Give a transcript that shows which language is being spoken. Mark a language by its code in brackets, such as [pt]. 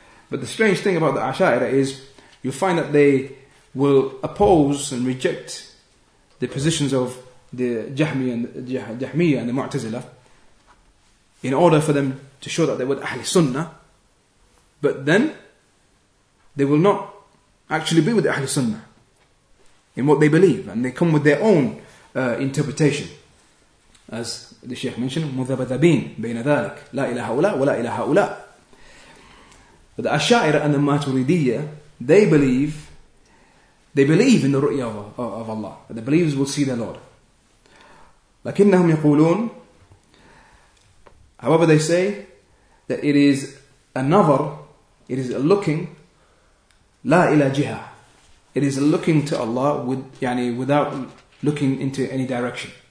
[en] But the strange thing about the Asha'ira is, you find that they will oppose and reject the positions of the Jahmiyyah and the Mu'tazila in order for them to show that they were Ahl Sunnah. But then, they will not actually be with the Ahl Sunnah in what they believe. And they come with their own interpretation. As the Shaykh mentioned, [ar] مُذَبَذَبِينَ بَيْنَ ذَلِكَ لَا إِلَهَ هَؤُلَاءَ وَلَا إِلَهَ هَؤُلَاءَ. [en] But the Asha'ira and the Maturidiyya, they believe in the ru'ya of Allah. That the believers will see their Lord. [ar] لَكِنَّهُمْ يَقُولُونَ, [en] however they say, that it is a nazar, it is a looking, [ar] لا إلى جهة, [en] it is a looking to Allah with, يعني, without looking into any direction.